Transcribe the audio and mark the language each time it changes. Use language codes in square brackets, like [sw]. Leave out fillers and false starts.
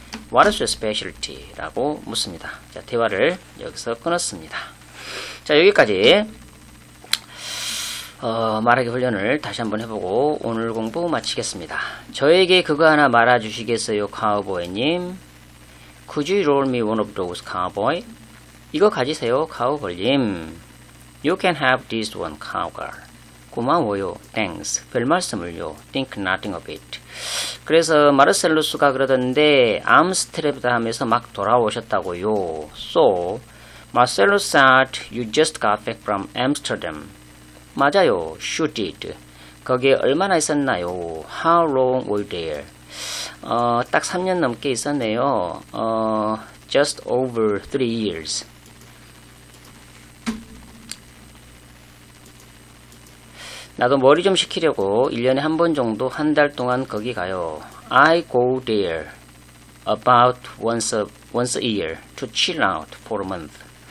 [en] What is your specialty? [ko] 라고 묻습니다. 자, 대화를 여기서 끊었습니다. 자, 여기까지 말하기 훈련을 다시 한번 해보고 오늘 공부 마치겠습니다. 저에게 그거 하나 말아주시겠어요, 카우보이님? [en] Could you roll me one of those, cowboy? [ko] 이거 가지세요, 카우걸님. [en] You can have this one, cowgirl. [ko] 고마워요, [en] thanks. [ko] 별 말씀을요, [en] think nothing of it. [ko] 그래서 마르셀루스가 그러던데 암스테르담에서 막 돌아오셨다고요. [en] So, Marcelo said you just got back from Amsterdam. [ko] 맞아요, [en] you did. [ko] 거기에 얼마나 있었나요? [en] How long were you there? [ko] 딱 3년 넘게 있었네요. [en] Just over 3 years. [ko] 나도 머리 좀 식히려고 1년에 한 번 정도 한 달 동안 거기 가요. [en] I go there about once a year to chill out for a month.